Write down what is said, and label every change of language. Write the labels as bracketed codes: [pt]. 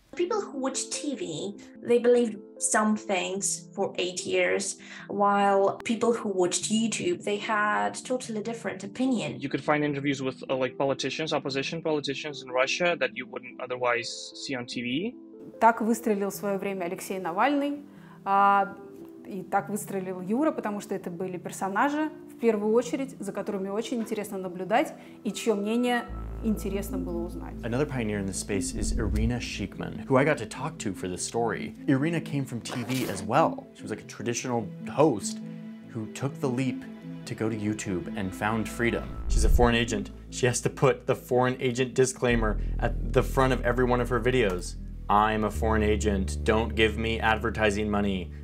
[en] People who watch TV, they believed some things for 8 years, while people who watched YouTube, they had totally different opinion. You could find interviews with like politicians, opposition politicians in Russia that you wouldn't otherwise see on TV. [ru] Так выстрелил в свое время Алексей Навальный, и так выстрелил Юра, потому что это были персонажи, в первую очередь, за которыми очень интересно наблюдать, и чье мнение интересно было узнать. [en] Another pioneer in this space is Irina Sheikman, who I got to talk to for this story. Irina came from TV as well. She was like a traditional host who took the leap to go to YouTube and found freedom. She's a foreign agent. She has to put the foreign agent disclaimer at the front of every one of her videos. I'm a foreign agent. Don't give me advertising money.